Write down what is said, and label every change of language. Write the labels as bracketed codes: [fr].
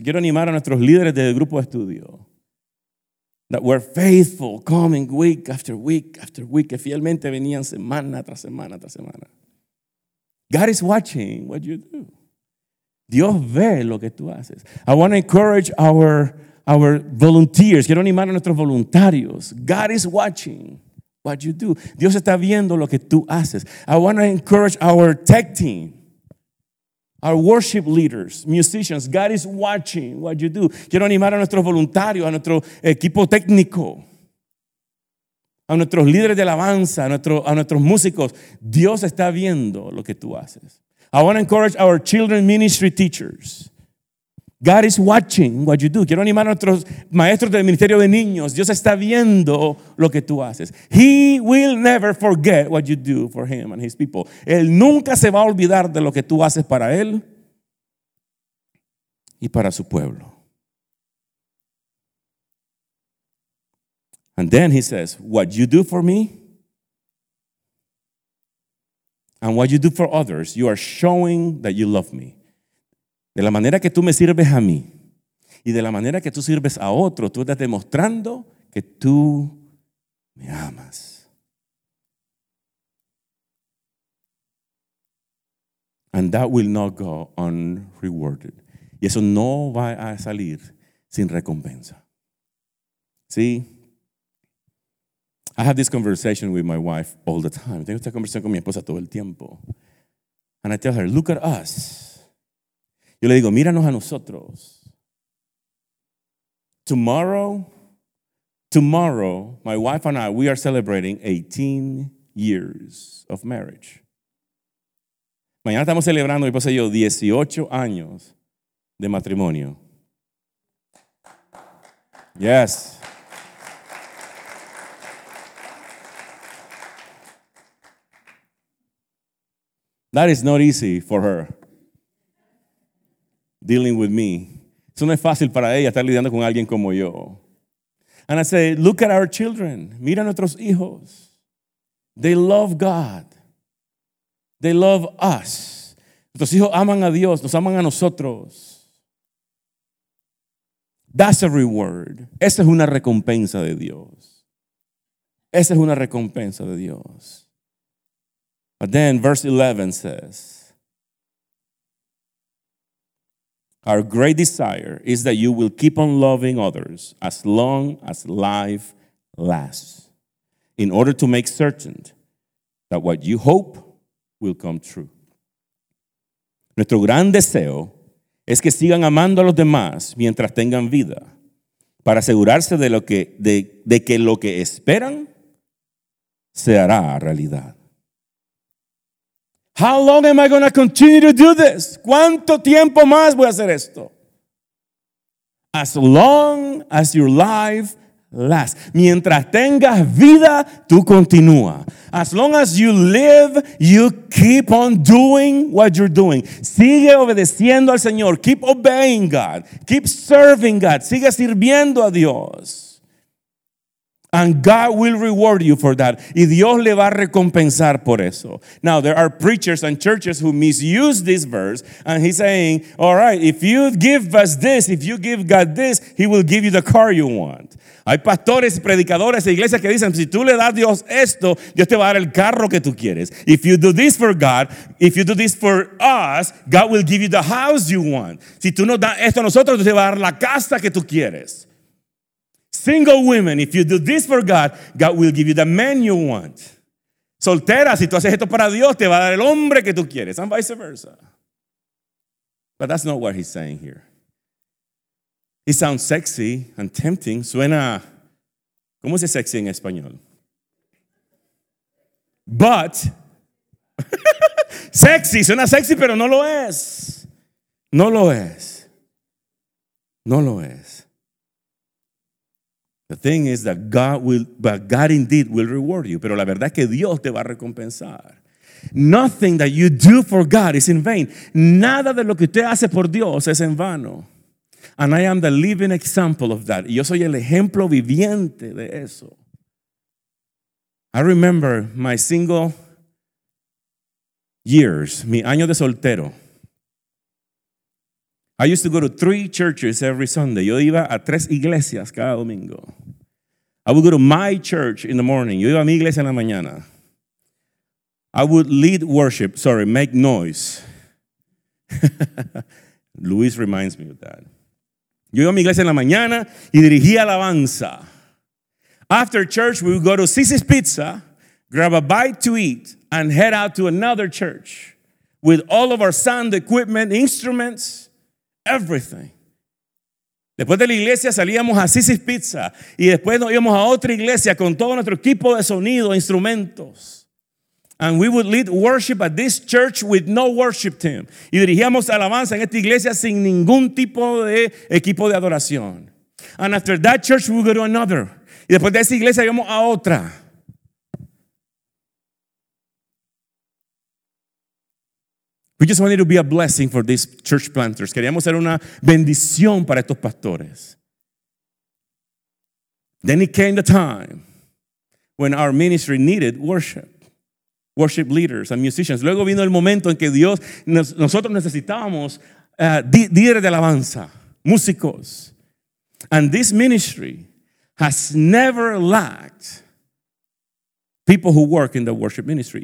[es] Quiero animar a nuestros líderes del grupo de estudio. [en] That were faithful, coming week after week after week. [es] Que fielmente venían semana tras semana tras semana. [en] God is watching what you do. [es] Dios ve lo que tú haces. [en] I want to encourage our volunteers. [es] Quiero animar a nuestros voluntarios. [en] God is watching what you do. [es] Dios está viendo lo que tú haces. [en] I want to encourage our tech team. Our worship leaders, musicians, God is watching what you do. [es] Quiero animar a nuestros voluntarios, a nuestro equipo técnico, a nuestros líderes de alabanza, a nuestros músicos. Dios está viendo lo que tú haces. [en] I want to encourage our children ministry teachers. God is watching what you do. [es] Quiero animar a nuestros maestros del ministerio de niños. Dios está viendo lo que tú haces. [en] He will never forget what you do for him and his people. [es] Él nunca se va a olvidar de lo que tú haces para él y para su pueblo. [en] And then he says, what you do for me, And what you do for others, you are showing that you love me. [es] De la manera que tú me sirves a mí y de la manera que tú sirves a otro, tú estás demostrando que tú me amas. [en] And that will not go unrewarded. [es] Y eso no va a salir sin recompensa. [en] See, I have this conversation with my wife all the time. [es] Tengo esta conversación con mi esposa todo el tiempo. [en] And I tell her, look at us. [es] Yo le digo, míranos a nosotros. [en] Tomorrow, my wife and I, we are celebrating 18 years of marriage. [es] Mañana estamos celebrando, mi esposa y yo, 18 años de matrimonio. [en] Yes. That is not easy for her, dealing with me. [es] Eso no es fácil para ella, estar lidiando con alguien como yo. [en] And I say, look at our children. [es] Mira a nuestros hijos. [en] They love God. They love us. [es] Nuestros hijos aman a Dios, nos aman a nosotros. [en] That's a reward. [es] Esa es una recompensa de Dios. Esa es una recompensa de Dios. [en] But then verse 11 says, our great desire is that you will keep on loving others as long as life lasts, in order to make certain that what you hope will come true. [es] Nuestro gran deseo es que sigan amando a los demás mientras tengan vida, para asegurarse de que lo que esperan se hará realidad. [en] How long am I going to continue to do this? [es] ¿Cuánto tiempo más voy a hacer esto? [en] As long as your life lasts. [es] Mientras tengas vida, tú continúa. [en] As long as you live, you keep on doing what you're doing. [es] Sigue obedeciendo al Señor. [en] Keep obeying God. Keep serving God. [es] Sigue sirviendo a Dios. [en] And God will reward you for that. [es] Y Dios le va a recompensar por eso. [en] Now, there are preachers and churches who misuse this verse. And he's saying, all right, if you give us this, if you give God this, he will give you the car you want. [es] Hay pastores, predicadores e iglesias que dicen, si tú le das a Dios esto, Dios te va a dar el carro que tú quieres. [en] If you do this for God, if you do this for us, God will give you the house you want. [es] Si tú nos das esto a nosotros, Dios te va a dar la casa que tú quieres. [en] Single women, if you do this for God, God will give you the man you want. [es] Soltera, si tú haces esto para Dios, te va a dar el hombre que tú quieres. [en] And vice versa. But that's not what he's saying here. It sounds sexy and tempting. [es] Suena, ¿cómo se dice sexy en español? But, sexy, suena sexy, pero no lo es. No lo es. No lo es. [en] The thing is that God indeed will reward you. [es] Pero la verdad es que Dios te va a recompensar. [en] Nothing that you do for God is in vain. [es] Nada de lo que usted hace por Dios es en vano. [en] And I am the living example of that. [es] Yo soy el ejemplo viviente de eso. [en] I remember my single years, [es] mi año de soltero. [en] I used to go to 3 churches every Sunday. [es] Yo iba a 3 iglesias cada domingo. [en] I would go to my church in the morning. [es] Yo iba a mi iglesia en la mañana. [en] I would lead worship, make noise. Luis reminds me of that. [es] Yo iba a mi iglesia en la mañana y dirigía alabanza. [en] After church, we would go to Cici's Pizza, grab a bite to eat, and head out to another church with all of our sound equipment, instruments, everything. [es] Después de la iglesia salíamos a Cici's Pizza y después nos íbamos a otra iglesia con todo nuestro equipo de sonido, instrumentos. [en] And we would lead worship at this church with no worship team. [es] Y dirigíamos alabanza en esta iglesia sin ningún tipo de equipo de adoración. [en] And after that church, we would go to another. [es] Y después de esa iglesia, íbamos a otra. [en] We just wanted to be a blessing for these church planters. [es] Queríamos ser una bendición para estos pastores. [en] Then it came the time when our ministry needed worship. worship leaders and musicians. [es] Luego vino el momento en que Dios, nosotros necesitábamos líderes de alabanza, músicos. [en] And this ministry has never lacked people who work in the worship ministry.